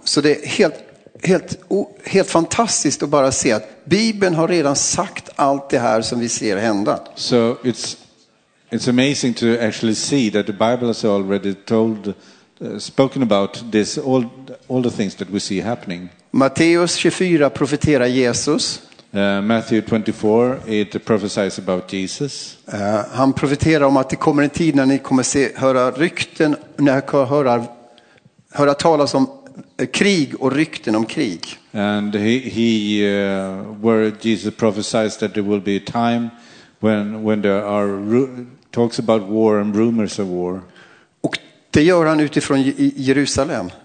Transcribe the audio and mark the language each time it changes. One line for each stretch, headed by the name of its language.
Swedish: Så det är helt fantastiskt att bara se att Bibeln har redan sagt allt det här som vi ser hända.
English: So it's amazing to actually see that the Bible has already told spoken about this all the things that we see happening.
Swedish: Matteus 24 profeterar Jesus.
English: Matthew 24, it prophesies about Jesus.
Swedish: Han profeterar om att det kommer en tid när ni kommer se höra rykten, när ni kommer höra talas om krig och rykten om krig.
English: And where Jesus prophesies that there will be a time when there are talks about war and rumors of war.
Swedish: Och det gör han utifrån Jerusalem.